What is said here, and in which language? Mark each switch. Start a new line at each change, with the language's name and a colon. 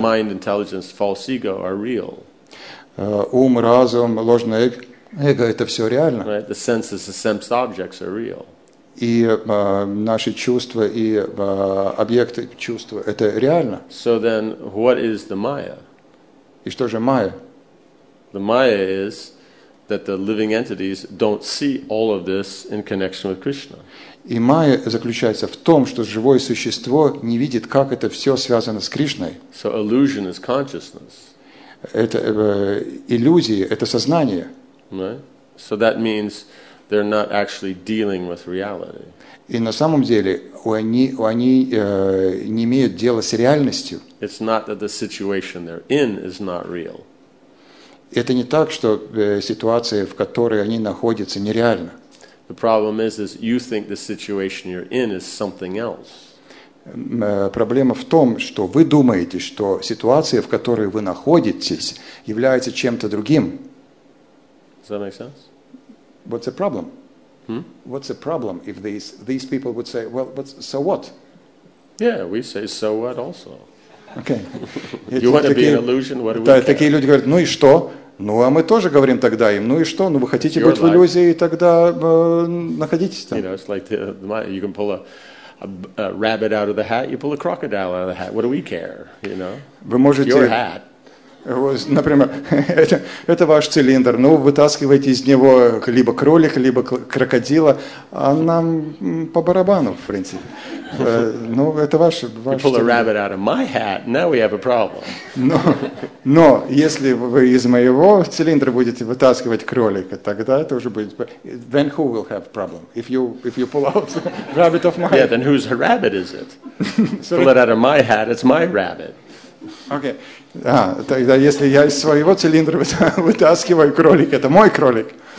English: The mind, intelligence, false ego are real.
Russian: Ум, разум, ложное эго, это все реально.
English: Right. The senses, the sense objects are real.
Russian: И наши чувства и объекты чувства – это реально.
English: So then, what is the Maya?
Russian: И что же Maya?
English: The Maya is that the living entities don't see all of this in connection with Krishna.
Russian: И Maya заключается в том, что живое существо не видит, как это все связано с Кришной.
English: So illusion is consciousness.
Russian: Это иллюзии, это сознание.
English: Right? So that means they're not actually dealing with reality.
Russian: И на самом деле они не имеют дела с реальностью.
English: It's not that the situation they're in is not real.
Russian: Это не так, что ситуация, в которой они находятся, нереальна.
English: The problem is you think the situation you're in is something else.
Russian: Проблема в том, что вы думаете, что ситуация, в которой вы находитесь, является чем-то другим.
English: Does that make sense? What's the problem? Hmm? What's the problem if these people would say, well, but so what? Yeah, we say so what also. Okay. You want to be an illusion? What do we?
Russian: Да, такие люди говорят, ну и что? Ну а мы тоже говорим тогда им, ну и что? Ну вы хотите быть в иллюзии, тогда находитесь там.
English: You know, it's like you can pull a rabbit out of the hat, you pull a crocodile out of the hat. What do we care? You know.
Russian: Вы можете.
English: Your hat.
Russian: Например, это ваш цилиндр, ну, вытаскивайте из него либо кролика, либо крокодила, а нам по барабану, в принципе. Ну, это ваш цилиндр.
English: You pull a rabbit out of my hat, now we have a problem.
Russian: Но если вы из моего цилиндра будете вытаскивать кролика, тогда это уже будет...
English: Then who will have problem? If you pull out a rabbit of my hat? Yeah, then whose rabbit is it? Pull it out of my hat, it's my rabbit. Okay.
Russian: А, тогда если я из своего цилиндра вытаскиваю кролик, это мой кролик.